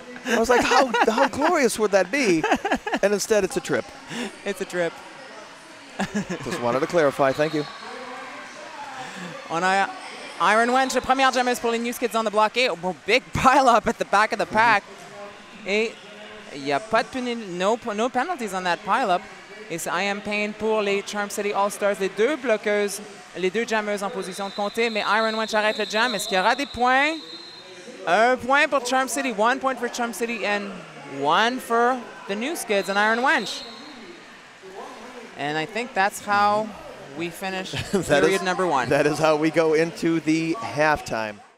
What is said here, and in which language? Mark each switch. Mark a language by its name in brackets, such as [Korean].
[English] I was like, how glorious would that be? And instead, it's a trip. It's a trip. Just wanted to clarify. Thank you. [French] On a Iron Wench, [English] the [French] première jammeuse pour les News Kids on the Block. Et, [English] oh, big pile-up at the back of the pack. [French] Et y a pas de [English] no penalties on that pile-up. [French] Et c'est I Am Pain pour les Charm City All-Stars. Les deux bloqueuses, les deux jammeuses en position de compter. Mais Iron Wench arrête le jam. Est-ce qu'il y aura des points? Un point pour Charm City. [English] 1 point for Charm City and one for the News Kids and Iron Wench. And I think that's how we finish period number one. That is how we go into the halftime.